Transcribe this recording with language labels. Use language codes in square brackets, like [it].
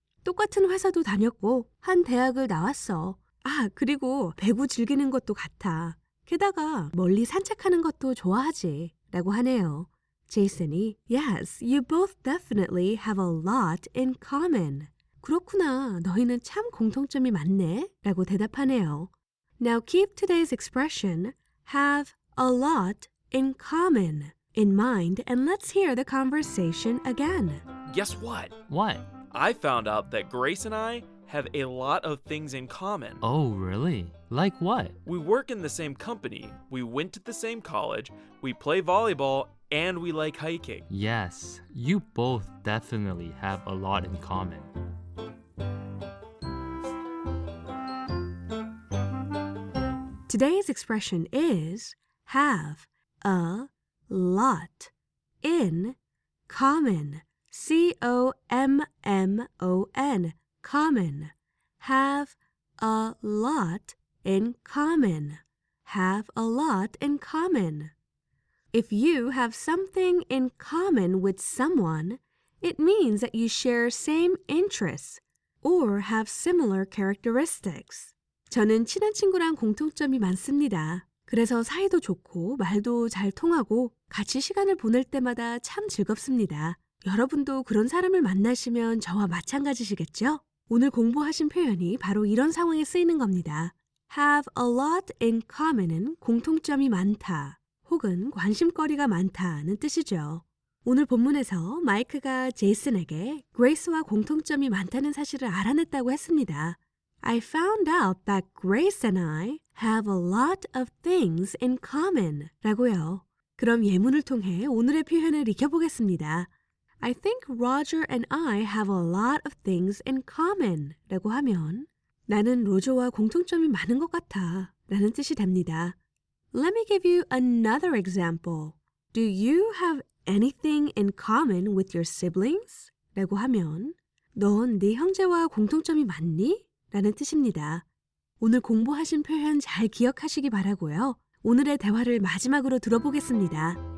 [ko] 똑같은 회사도 다녔고 한 대학을 나왔어. 아, 그리고 배구 즐기는 것도 같아. 게다가 멀리 산책하는 것도 좋아하지. 라고 하네요. 제이슨이 [en] Yes, you both definitely have a lot in common. [ko] 그렇구나, 너희는 참 공통점이 많네. 라고 대답하네요. [en] Now keep today's expression, have a lot in common, in mind, and let's hear the conversation again. Guess what? What? I found out that Grace and I have a lot of things in common. Oh, really? Like what? We work in the same company, we went to the same college, we play volleyball, and we like hiking. Yes, you both definitely have a lot in common. 'Today's expression is have a lot in common. C-O-M-M-O-N. Common. Have a lot in common. Have a lot in common. If you have something in common with someone, it means that you share same interests or have similar characteristics. [ko] 저는 친한 친구랑 공통점이 많습니다. 그래서 사이도 좋고 말도 잘 통하고 같이 시간을 보낼 때마다 참 즐겁습니다. 여러분도 그런 사람을 만나시면 저와 마찬가지시겠죠? 오늘 공부하신 표현이 바로 이런 상황에 쓰이는 겁니다. [en] Have a lot in common [ko] 은 공통점이 많다 혹은 관심거리가 많다는 뜻이죠. 오늘 본문에서 마이크가 제이슨에게 Grace와 공통점이 많다는 사실을 알아냈다고 했습니다. [en] I found out that Grace and I have a lot of things in common [ko] 라고요. 그럼 예문을 통해 오늘의 표현을 익혀보겠습니다. [en] I think Roger and I have a lot of things in common. [ko] 라고 하면 나는 로저와 공통점이 많은 것 같아 라는 뜻이 됩니다. [en] Let me give you another example. Do you have anything in common with your siblings? [ko] 라고 하면 넌 네 형제와 공통점이 많니? 라는 뜻입니다. 오늘 공부하신 표현 잘 기억하시기 바라고요. 오늘의 대화를 마지막으로 들어보겠습니다.